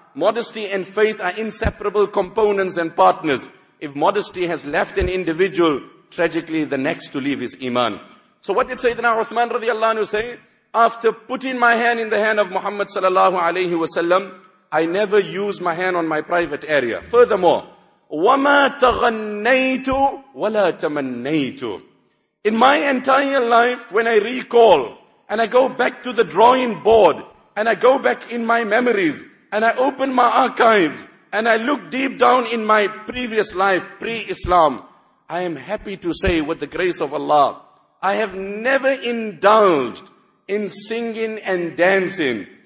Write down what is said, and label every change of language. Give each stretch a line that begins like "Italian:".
English: Modesty and faith are inseparable components and partners. If modesty has left an individual, tragically the next to leave is iman. So what did Sayyidina Uthman radiallahu anhu say? After putting my hand in the hand of Muhammad sallallahu alayhi wa sallam, I never use my hand on my private area. Furthermore,
Arabic: وَمَا تَغَنَّيْتُ وَلَا تَمَنَّيْتُ.
English: In my entire life, when I recall, and I go back to the drawing board, and I go back in my memories, and I open my archives, and I look deep down in my previous life, pre-Islam, I am happy to say with the grace of Allah, I have never indulged in singing and dancing.